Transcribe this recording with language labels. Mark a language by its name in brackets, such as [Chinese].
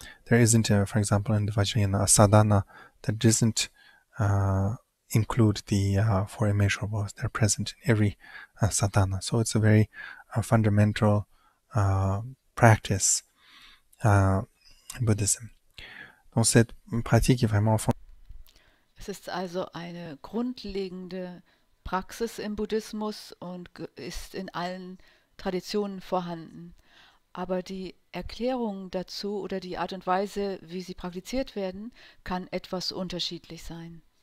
[English] There isn't, for example, in the Vajrayana, a sadhana that doesn't include the four immeasurables. They're present in every sadhana. So it's a very fundamental practice in Buddhism. [French] Donc cette pratique est vraiment [German] Es ist also eine grundlegende Praxis im Buddhismus und ist in allen Traditionen vorhanden. Aber die Erklärung dazu oder die Art und Weise, wie sie praktiziert werden, kann etwas unterschiedlich sein.